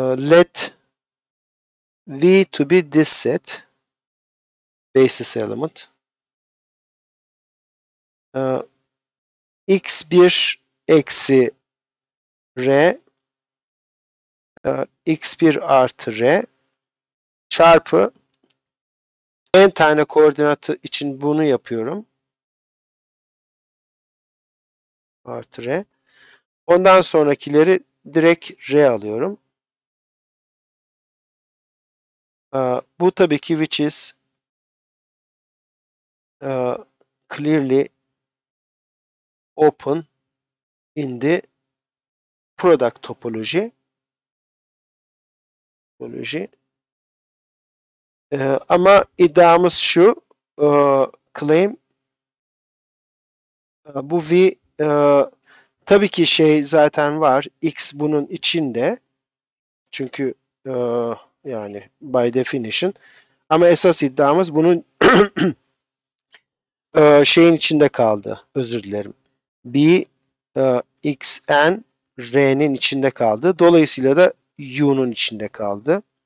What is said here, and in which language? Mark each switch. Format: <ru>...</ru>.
<en>Let V to be this set basis element.</en> <tr>X1 - r, x1 + r çarpı n tane koordinatı için bunu yapıyorum. Artı r. Ondan sonrakileri direkt r alıyorum. Bu tabii ki</tr> <en>which is clearly open in the product topoloji.</en> <tr>Ama iddiamız şu, claim bu v tabii ki şey zaten var, x bunun içinde. Çünkü yani</tr> <en>by definition.</en> <tr>Ama esas iddiamız bunun şeyin içinde kaldı. Özür dilerim. B xn r'nin içinde kaldı. Dolayısıyla da u'nun içinde kaldı.</tr>